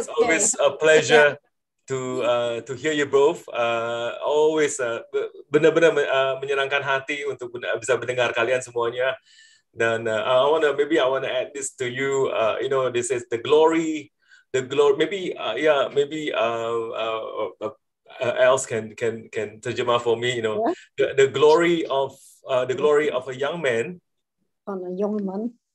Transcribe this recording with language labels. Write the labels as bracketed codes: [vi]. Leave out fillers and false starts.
[en] It's always a pleasure to hear you both. [id] Always benar-benar menyenangkan hati untuk bisa mendengar kalian semuanya. [en] Dan I want to add this to you. You know, this is the glory. Else can terjemah for me, you know. Yeah. The glory of a young man. On a young man.